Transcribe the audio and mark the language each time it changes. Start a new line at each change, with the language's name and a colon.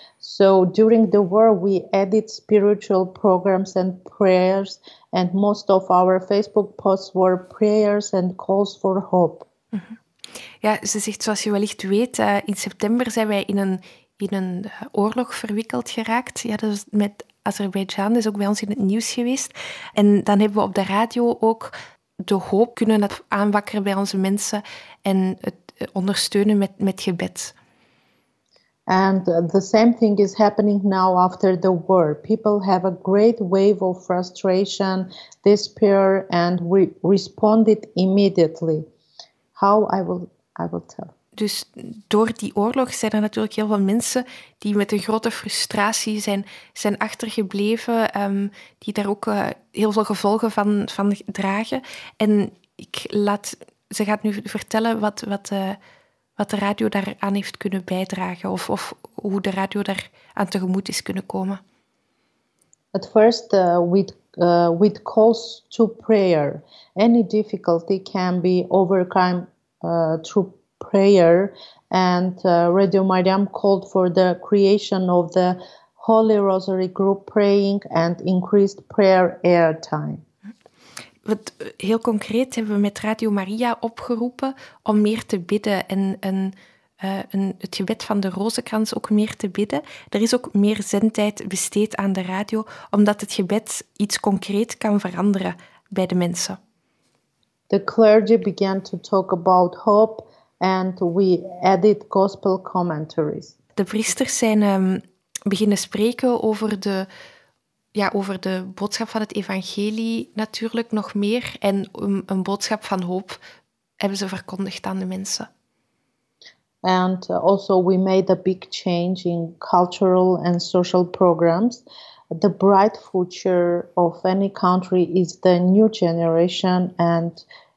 English: So during the war, we added spiritual programs and prayers, and most of our Facebook posts were prayers and calls for hope.
Dutch: Ja, ze zegt, zoals je wellicht weet, in september zijn wij in een oorlog verwikkeld geraakt. Ja, dat is met Azerbeidzjan, dat is ook bij ons in het nieuws geweest. En dan hebben we op de radio ook de hoop kunnen aanwakkeren bij onze mensen en het ondersteunen met gebed.
English: And the same thing is happening now after the war. People have a great wave of frustration, despair, and we responded immediately. How I will tell.
Dutch: Dus door die oorlog zijn er natuurlijk heel veel mensen die met een grote frustratie zijn achtergebleven, die daar ook heel veel gevolgen van dragen. En ze gaat nu vertellen wat de radio daaraan heeft kunnen bijdragen of hoe de radio daar aan tegemoet is kunnen komen.
English: At first, with calls to prayer, any difficulty can be overcome through prayer, and Radio Mariam called for the creation of the Holy Rosary group praying and increased prayer airtime.
Dutch: Wat heel concreet hebben we met Radio Maria opgeroepen om meer te bidden het gebed van de Rozenkrans ook meer te bidden. Er is ook meer zendtijd besteed aan de radio, omdat het gebed iets concreet kan veranderen bij de mensen.
English: The clergy began to talk about hope and we added gospel commentaries.
Dutch: De priesters zijn beginnen spreken over de boodschap van het evangelie natuurlijk nog meer en een boodschap van hoop hebben ze verkondigd aan de mensen.
English: And also we made a big change in cultural and social programs. The bright future of any country is the new generation and